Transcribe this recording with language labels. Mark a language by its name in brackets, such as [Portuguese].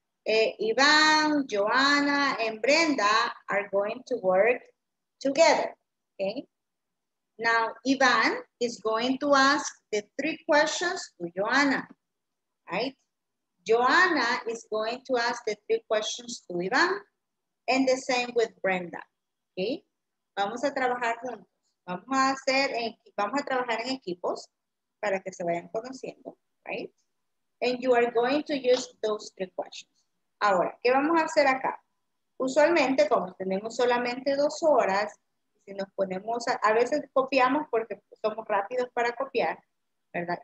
[English] Iván, Joanna, and Brenda are going to work together, okay? Now, Iván is going to ask the three questions to Joanna, right? Joanna is going to ask the three questions to Iván, and the same with Brenda, okay? [Spanish] Vamos a trabajar juntos. Vamos a trabajar en equipos para que se vayan conociendo, right? [English] And you are going to use those three questions. [Spanish] Ahora, ¿qué vamos a hacer acá? Usualmente, como tenemos solamente dos horas, si nos ponemos, a veces copiamos porque somos rápidos para copiar, ¿verdad?